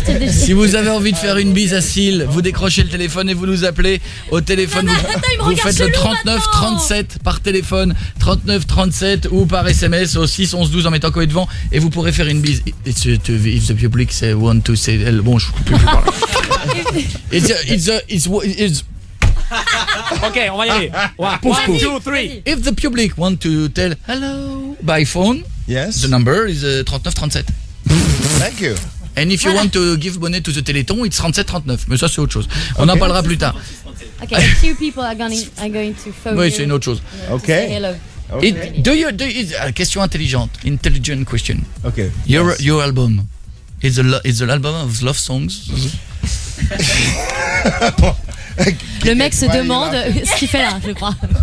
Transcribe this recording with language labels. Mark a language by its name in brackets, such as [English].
[French] Si vous avez envie de faire une bise à Seal, vous décrochez le téléphone et vous nous appelez au téléphone. Non, attends, vous faites le 3937 par téléphone, 3937 ou par SMS au 611-12 en mettant Coé devant et vous pourrez faire une bise. [English] It's the public say one to say hello. [French] Bon, je ne peux plus parler. It's OK, on va y aller. Pouf, [English] one, pouf. Two, three. If the public want to tell hello by phone, yes, the number is 3937. Thank you. And if you want to give money to the Téléthon, it's 3739. [French] Mais ça, c'est autre chose. On en parlera plus tard. [English] Okay, a few people are going to phone [French] you. Oui, c'est une autre chose. [English] Okay. Hello. Okay. [French] Question intelligente. [English] Intelligent question. Okay. Your album is an album of love songs. [French] Le mec se demande ce qu'il fait là, je crois.